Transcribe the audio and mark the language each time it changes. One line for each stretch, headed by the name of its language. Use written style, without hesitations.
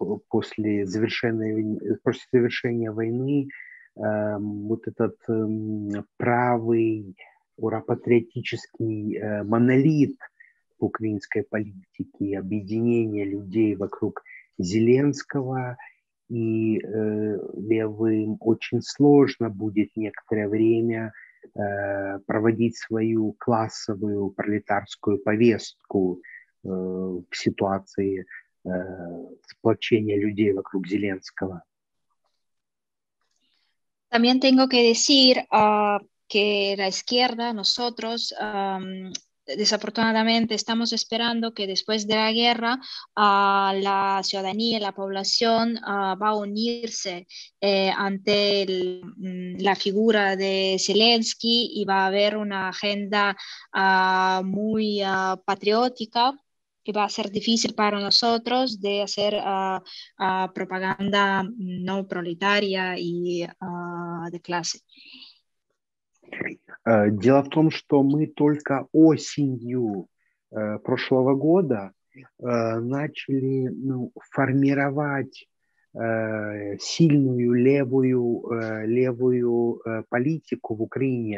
Russian: после завершения войны вот этот правый ура-патриотический монолит в украинской политике, объединение людей вокруг Зеленского, и левым очень сложно будет некоторое время проводить свою классовую пролетарскую повестку в ситуации сплочения людей вокруг Зеленского.
Spanish: También tengo que decir que la izquierda, nosotros, desafortunadamente estamos esperando que después de la guerra la ciudadanía y la población va a unirse ante la figura de Zelensky y va a haber una agenda muy patriótica que va a ser difícil para nosotros de hacer propaganda no proletaria y de clase.
Russian: Дело в том, что мы только осенью прошлого года начали формировать сильную левую политику в Украине.